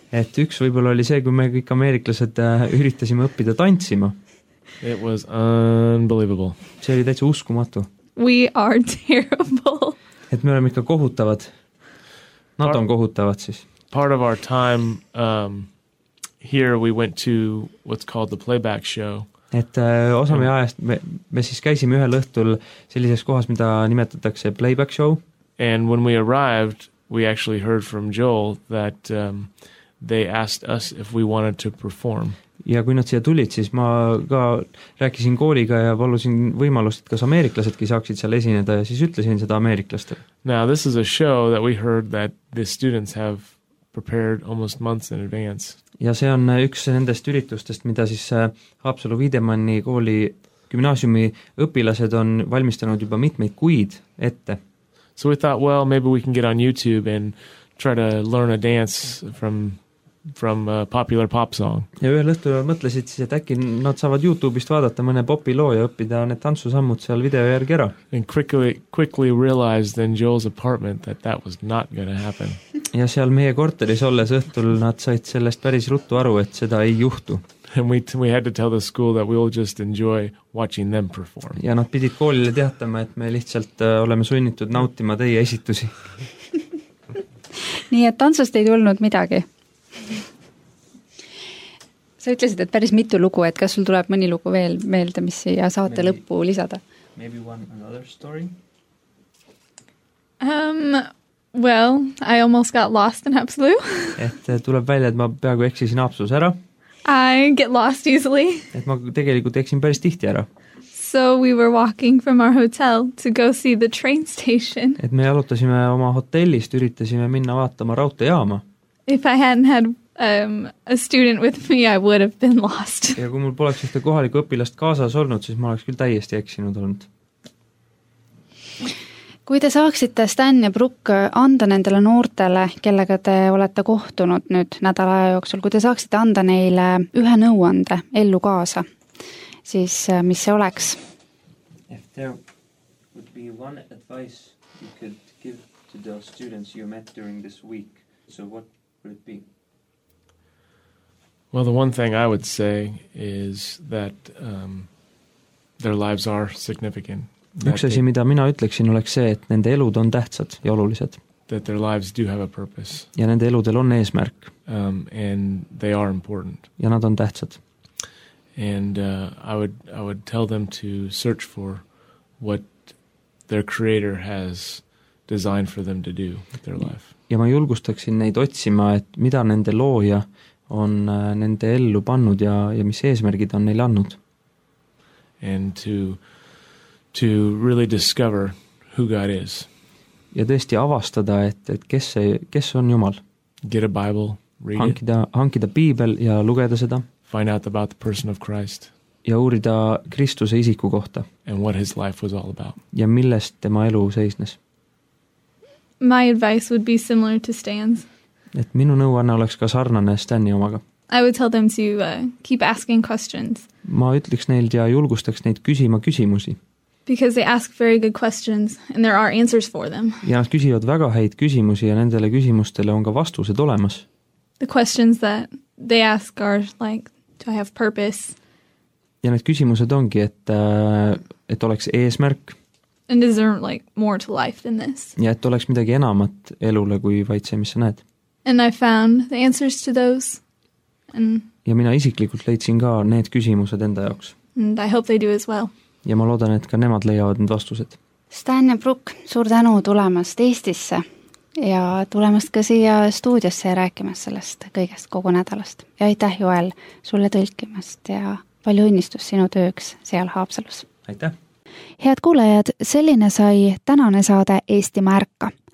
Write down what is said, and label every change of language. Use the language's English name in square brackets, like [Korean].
[Estonian] Et üks võibolla oli see, kui me kõik ameeriklased üritasime õppida tantsima. [English] It was unbelievable. [Estonian] See oli täitsa uskumatu. [English] We are terrible. [Estonian] Et me oleme ikka kohutavad. Nad on kohutavad siis. [English] Part of our time here we went to what's called the playback show. [Estonian] Et osa meie ajast me siis käisime ühel õhtul sellises kohas, mida nimetatakse playback show. [English] And when we arrived, we actually heard from Joel that they asked us if we wanted to perform. [Estonian] Ja kui nad siia tulid, siis ma ka rääkisin kooliga ja palusin võimalust, et kas ameeriklasedki saaksid seal esineda ja siis ütlesin seda ameeriklastele. [English] Now this is a show that we heard that the students have prepared almost months in advance. [Estonian] Ja see on üks nendest üritustest, mida siis Haapsalu Viidemanni kooli gümnaasiumi õpilased on valmistanud juba mitmeid kuid ette. [English] So we thought, well, maybe we can get on YouTube and try to learn a dance from a popular pop song. [Estonian] Ja ühel õhtul mõtlesid siis, et äkki nad saavad YouTubeist vaadata mõne popi loo ja õppida need tantsusammud seal video järgi ära. [English] And quickly realized in Joel's apartment that that was not going to happen. [Estonian] Ja seal meie korteris olles õhtul nad said sellest päris ruttu aru, et seda ei juhtu. [English] And we had to tell the school that we will just enjoy watching them perform. [Estonian] Ja nad pidid koolile teatama, et me lihtsalt oleme sunnitud nautima teie esitusi. Nii et tantsust ei tulnud midagi. Sa ütlesid, et päris mitu lugu, et kas sul tuleb mõni lugu veel meelde, mis siia saate maybe, lõppu lisada? [English] Maybe one another story? Well, I almost got lost in Haapsalu. [Estonian] Et tuleb välja, et ma peagu eksisin Haapsalus ära. [English] I get lost easily. [Estonian] Et ma tegelikult eksin päris tihti ära. [English] So we were walking from our hotel to go see the train station. [Estonian] Et me jalutasime oma hotellist, üritasime minna vaatama raudtejaama. [English] If I hadn't had a student with me, I would have been lost. [Estonian] Ja kui mul poleks ühte kohaliku õpilast kaasas olnud, siis ma oleks küll täiesti eksinud olnud. Kui te saaksite Stan ja Brooke anda nendele noortele, kellega te olete kohtunud nüüd nädalaja jooksul, kui te saaksite anda neile ühe nõuande ellu kaasa, siis mis see oleks? [English] If there would be one advice you could give to the students you met during this week, so what would it be? Well, the one thing I would say is that their lives are significant. [Estonian] Üks asi, mida mina ütleksin, oleks see, et nende elud on tähtsad ja olulised. [English] That their lives do have a purpose. [Estonian] Ja nende eludel on eesmärk. [English] And they are important. [Estonian] Ja nad on tähtsad. [English] And I would tell them to search for what their creator has designed for them to do with their life. [Estonian] Ja ma julgustaksin neid otsima, et mida nende looja on nende ellu pannud ja mis eesmärgid on neil annud. [English] And to really discover who God is. [Estonian] Ja tõesti avastada, et kes on Jumal. [English] Get a Bible, read [Estonian] hankida piibel ja lugeda seda. [English] Find out about the person of Christ. [Estonian] Ja uurida Kristuse isiku kohta. [English] And what his life was all about. [Estonian] Ja millest tema elu seisnes. [English] My advice would be similar to Stan's. [Estonian] Et minu nõuanne oleks ka sarnane Stani omaga. [English] I would tell them to keep asking questions. [Estonian] Ma ütleks neil ja julgustaks neid küsima küsimusi. [English] Because they ask very good questions and there are answers for them. [Estonian] Ja nad küsivad väga häid küsimusi ja nendele küsimustele on ka vastused olemas. [English] The questions that they ask are like, do I have purpose? [Estonian] Ja need küsimused ongi, et oleks eesmärk. [English] And is there like more to life than this? [Estonian] Ja et oleks midagi enamat elule kui vaid see, mis sa näed. [English] And I found the answers to those. And [Estonian] ja mina isiklikult leidsin ka need küsimused enda jaoks. [English] And I hope they do as well. [Estonian] Ja ma loodan, et ka nemad leiavad need vastused. Stan ja Brooke, suur tänu tulemast Eestisse ja tulemast ka siia stuudiosse ja rääkimast sellest kõigest kogu nädalast. Ja aitäh Joel sulle tõlkimast ja palju õnnistus sinu tööks seal Haapsalus. Aitäh! Head kuulajad, selline sai tänane saade Eesti märka.